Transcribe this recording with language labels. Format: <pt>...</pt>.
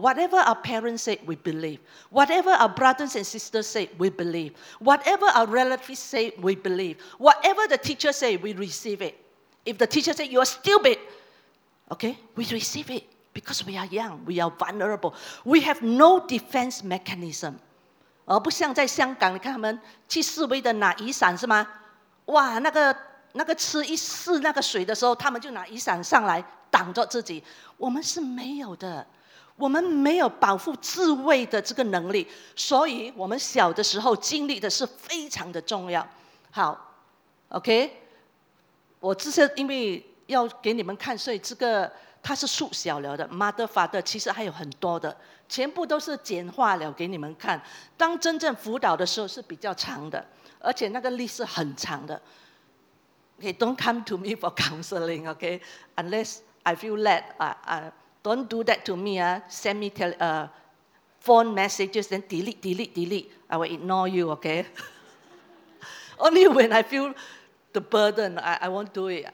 <en>Whatever our parents say, we believe. Whatever our brothers and sisters say, we believe. Whatever our relatives say, we believe. Whatever the teacher say, we receive it. If the teacher say, you are stupid, okay, we receive it because we are young, we are vulnerable. We have no defense mechanism.</en> <zh>而不像在香港，你看他们去示威的拿雨伞是吗？哇，那个吃一试那个水的时候，他们就拿雨伞上来挡着自己，我们是没有的，我们没有保护自卫的这个能力，所以我们小的时候经历的是非常的重要。好 ，OK， 我这些因为要给你们看，所以这个它是缩小了的 ，mother father 其实还有很多的，全部都是简化了给你们看。当真正辅导的时候是比较长的，而且那个list是很长的。</zh> <en>Okay, don't come to me for counseling, okay? Unless I feel led. Don't do that to me. Send me phone messages, then delete, delete, delete. I will ignore you, okay? Only when I feel the burden, I won't do it.</en>